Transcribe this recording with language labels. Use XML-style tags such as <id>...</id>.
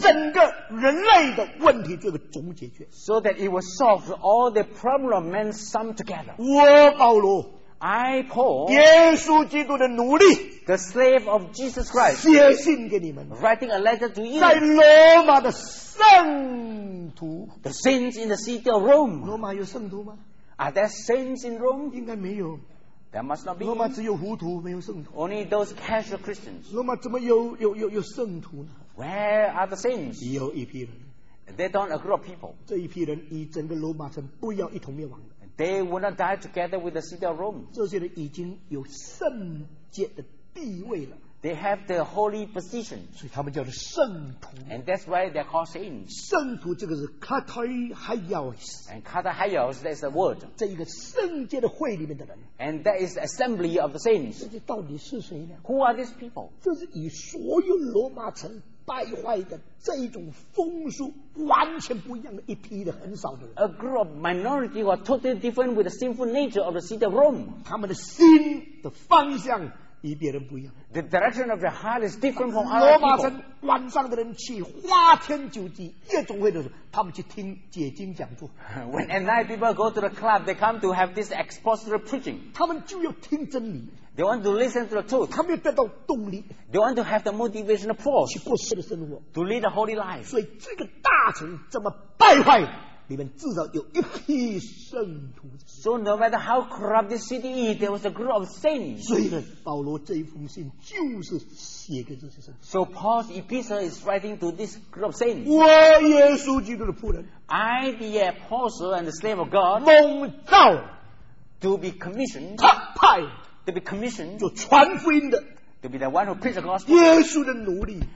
<zh>整个人类的问题这个总解决。</zh> <en>So that it will solve all the problem of men sum together.</en> <zh>我保罗。</zh> <en>I Paul,</en> <zh>耶稣基督的奴隶</zh> <en>the slave of Jesus Christ,</en> <zh>写信给你们</zh> <en>writing a letter to you,</en> <zh>在罗马的圣徒</zh> <en>the saints in the city of Rome,</en> <zh>罗马有圣徒吗？</zh> <en>Are there saints in Rome?</en> <zh>应该没有。</zh> <en>There must not be.</en> <zh>罗马只有糊涂，没有圣徒。</zh> <en>Only those casual Christians.</en> <zh>罗马怎么有圣徒呢？</zh> <en>Where are the saints?</en> <zh>有一批人。</zh> <en>They don't agree with people.</en> <zh>这一批人与整个罗马城不要一同灭亡。</zh> <en>They will not die together with the city of Rome.</en> <zh>这些人已经有圣洁的地位了。</zh> <en>They have the holy position.</en> <zh>所以他们叫做圣徒。</zh> <en>And that's why they're called saints.</en> <zh>圣徒这个是 katharios.</zh> <en>And katharios, that's the word.</en> <zh>这一个圣洁的会里面的人。</zh> <en>And that is the assembly of the saints.</en> <zh>这到底是谁呢？</zh> <en>Who are these people?</en> <zh>这是以所有罗马城败坏的这一种风俗完全不一样的一批的很少的人</zh> <en>A group of minority who are totally different with the sinful nature of the city of Rome</en> <zh>他们的心的方向与别人不一样</zh> <en>The direction of their heart is different from other</en> <zh>people 罗马城晚上的人去花天酒地夜总会的时候他们去听解经讲座</zh> <en>When at night people go to the club they come to have this expository preaching</en> <zh>他们就要听真理</zh> <en>They want to listen to the truth.</en> <zh>他们要得到动力。</zh> <en>They want to have the motivational force.</en> <zh>去过圣的生活。</zh> <en>To lead a holy life.</en> <zh>所以这个大城这么败坏，里面至少有一批圣徒。</zh> <en>So no matter how corrupt the city is, there was a group of saints.</en> <zh>所以呢，保罗这一封信就是写给这些圣徒。</zh> <en>So Paul's epistle is writing to this group of saints.</en> <zh>我耶稣基督的仆人。</zh> <en>I the apostle and the slave of God.</en> <zh>蒙召</zh> <en>to be commissioned.</en> <zh>特派。</zh> <en>To be commissioned,</en> <zh>就传福音的</zh> <en>to be the one who preach the gospel,</en> <zh>耶稣的奴隶</zh>